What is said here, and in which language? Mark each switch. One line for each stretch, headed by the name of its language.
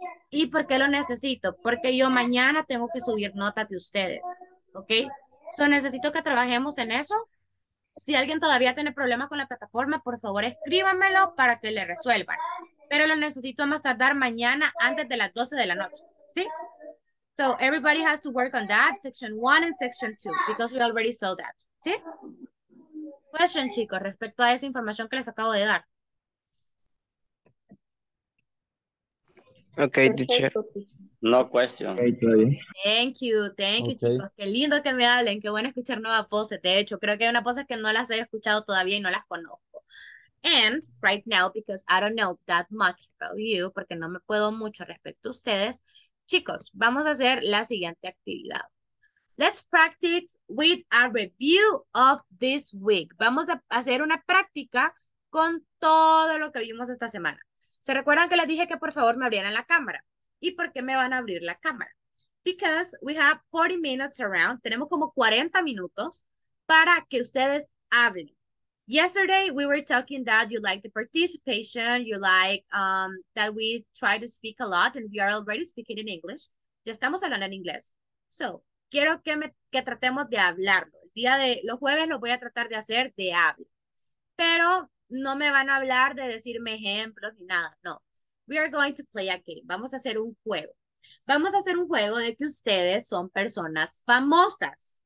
Spanish: ¿Y por qué lo necesito? Porque yo mañana tengo que subir notas de ustedes, ¿ok? So, necesito que trabajemos en eso. Si alguien todavía tiene problemas con la plataforma, por favor, escríbanmelo para que le resuelvan. Pero lo necesito a más tardar mañana antes de las 12 de la noche, ¿sí?
English: So, everybody has to work on that, section 1 and section 2, because we already saw that, ¿sí?
Spanish: Question, chicos, respecto a esa información que les acabo de dar.
English: Okay, teacher. No question. Thank you, okay. Chicos.
Spanish: Qué lindo que me hablen, qué bueno escuchar nuevas voces. De hecho, creo que hay unas voces que no las he escuchado todavía y no las conozco.
English: And right now, because I don't know that much about you,
Spanish: porque no me puedo mucho respecto a ustedes, chicos, vamos a hacer la siguiente actividad.
English: Let's practice with a review of this week.
Spanish: Vamos a hacer una práctica con todo lo que vimos esta semana. ¿Se recuerdan que les dije que por favor me abrieran la cámara? ¿Y por qué me van a abrir la cámara?
English: Because we have 40 minutes around.
Spanish: Tenemos como 40 minutos para que ustedes hablen.
English: Yesterday, we were talking that you like the participation, you like that we try to speak a lot and we are already speaking in English.
Spanish: Ya estamos hablando en inglés. So, quiero que tratemos de hablarlo. El día de los jueves lo voy a tratar de hacer de hablar. Pero no me van a hablar de decirme ejemplos ni nada, no.
English: We are going to play a game.
Spanish: Vamos a hacer un juego. Vamos a hacer un juego de que ustedes son personas famosas.